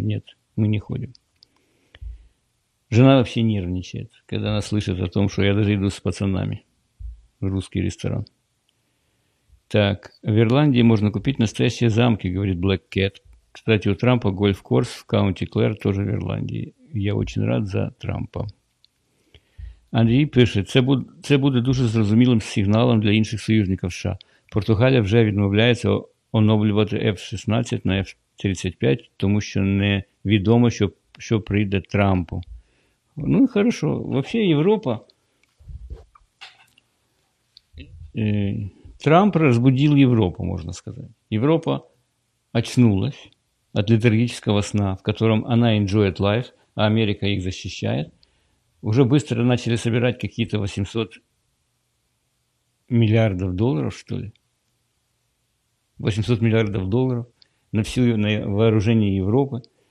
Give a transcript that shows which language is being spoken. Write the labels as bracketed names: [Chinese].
[Russian] Нет, мы не ходим. Жена вообще нервничает, когда она слышит о том, что я даже иду с пацанами в русский ресторан. Так, в Ирландии можно купить настоящие замки, говорит Black Cat. Кстати, у Трампа гольф-курс в Каунти Клэр тоже в Ирландии. Я очень рад за Трампа. [Ukrainian] Андрій пише, це буде дуже зрозумілим сигналом для інших союзників США. Португалія вже відмовляється оновлювати F-16 на F-35, тому що невідомо, що прийде Трампу. Ну і хорошо. Взагалі Європа. Трамп розбудив Європу, можна сказати. Європа очнулась від літаргічного сна, в якому вона [English] enjoyed life, [Ukrainian] а Америка їх захищає. [Russian] Уже быстро начали собирать какие-то 800 миллиардов долларов, что ли. 800 миллиардов долларов на всю на вооружение Европы.